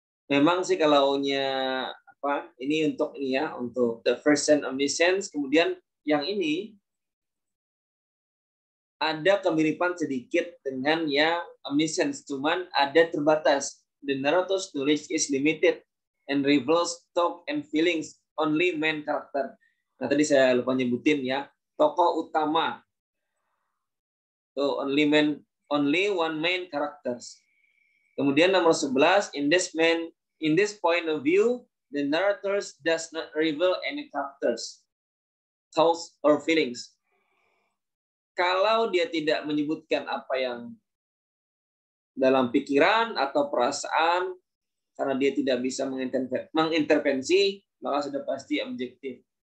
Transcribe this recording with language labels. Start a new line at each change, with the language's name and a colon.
Indonesian: Memang sih kalau nya apa ini untuk ini ya, untuk the first and omniscience. Kemudian yang ini ada kemiripan sedikit dengan yang omniscience, cuman ada terbatas.
English: The narrator's knowledge is limited and reveals thought and feelings only main character.
Indonesian: Nah, tadi saya lupa nyebutin ya, tokoh utama.
English: So only one main characters.
Indonesian: Kemudian nomor 11,
English: In this point of view, the narrator does not reveal any characters, thoughts, or feelings.
Indonesian: Kalau dia tidak menyebutkan apa yang dalam pikiran atau perasaan, karena dia tidak bisa mengintervensi, maka sudah pasti objektif.